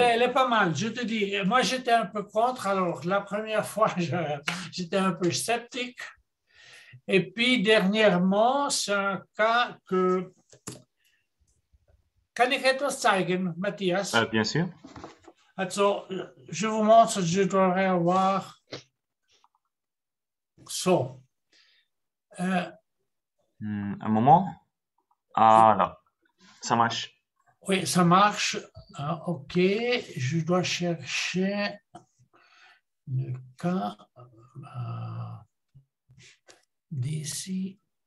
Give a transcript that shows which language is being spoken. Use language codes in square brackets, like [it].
[fr] Elle est pas mal, je te dis. Moi, j'étais un peu contre. Alors, la première fois, j'étais un peu sceptique. Et puis, dernièrement, c'est un cas que... [de] Kann ich etwas zeigen, Matthias? [fr] Bien sûr. Also, je vous montre, je devrais avoir... So. Un moment. Ah, là. Ça marche. Oui, ça marche. Ah, OK. Je dois chercher le cas d'ici.